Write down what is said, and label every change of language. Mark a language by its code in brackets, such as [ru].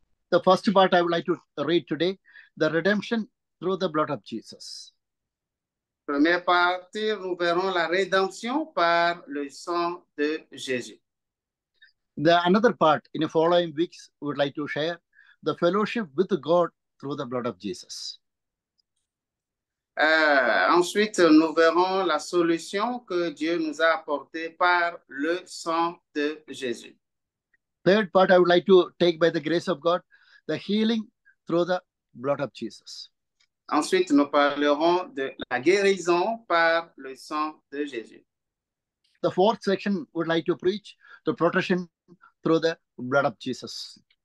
[en] The first part I would like to read today, the redemption through the blood of Jesus. [fr] Première partie, nous verrons la rédemption par le sang de Jésus. [en] The another part in the following weeks, we would like to share the fellowship with God through the blood of Jesus. [fr] Ensuite, nous verrons la solution que Dieu nous a apportée par le sang de Jésus. [en] Third part, I would like to take by the grace of God, the healing through the blood of Jesus. [fr] Ensuite, nous parlerons de la guérison par le sang de Jésus. [en] The fourth section would like to preach the protection through the blood of Jesus.